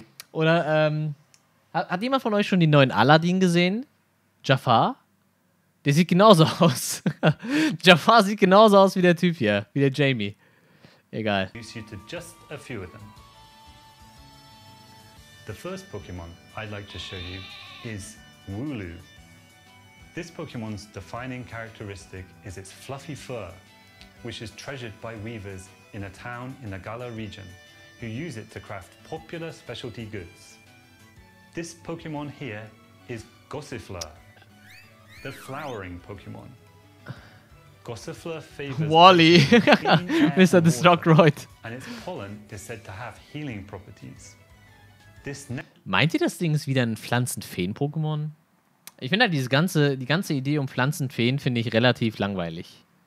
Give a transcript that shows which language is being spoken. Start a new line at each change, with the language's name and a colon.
German: Oder, hat jemand von euch schon den neuen Aladdin gesehen? Jafar? Der sieht genauso aus. Jafar sieht genauso aus wie der Typ hier, wie der Jamie. Egal.
English: The first Pokémon I'd like to show you is Wooloo. This Pokémon's defining characteristic is its fluffy fur, which is treasured by weavers in a town in the Galar region, who use it to craft popular specialty goods. This Pokémon here is Gossifleur, the flowering Pokémon. Gossifleur favors Wally, Mr. the Stockroid, and its pollen is said to have healing properties.
German: Meint ihr, das Ding ist wieder ein Pflanzenfeen-Pokémon? Ich finde halt die ganze Idee um Pflanzenfeen finde ich relativ langweilig.